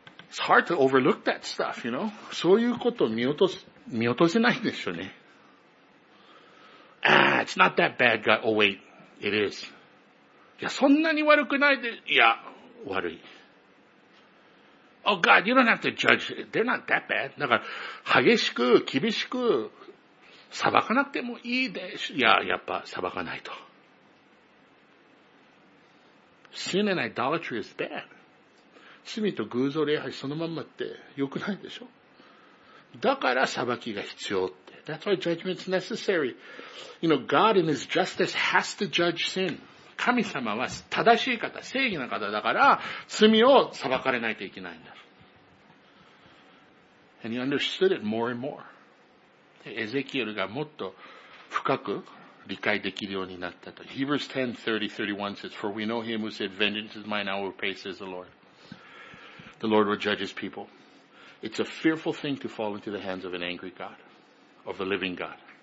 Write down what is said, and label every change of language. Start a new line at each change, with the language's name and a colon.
English: It's hard to overlook that stuff, you know?
Japanese: そういうことを見落とせないでしょうね。
English: Ah, it's not that bad, God. Oh, wait. It is.
Japanese: いや、そんなに悪くないで、いや、悪い。
English: Oh God, you don't have to judge. They're not that bad.
Korean: 그러니까
Japanese: 激しく 厳しく 裁かなくてもいいです. Yeah, やっぱ 裁かないと.
English: Sin and idolatry is bad.
Japanese: 罪と偶像礼拝そのまんまって良くないでしょ?だから裁きが必要って.
English: That's why judgment's necessary. You know, God in His justice has to judge sin.
Japanese: 神様は正しい方、正義な方だから罪を裁かれないといけないんだ.
English: And He understood it more and more.
Japanese: エゼキエルがもっと深く理解できるようになったと.
English: Hebrews 10:30-31 says, For we know him who said, Vengeance is mine, I will repay, says the Lord. The Lord will judge his people. It's a fearful thing to fall into the hands of an angry God, of a living God.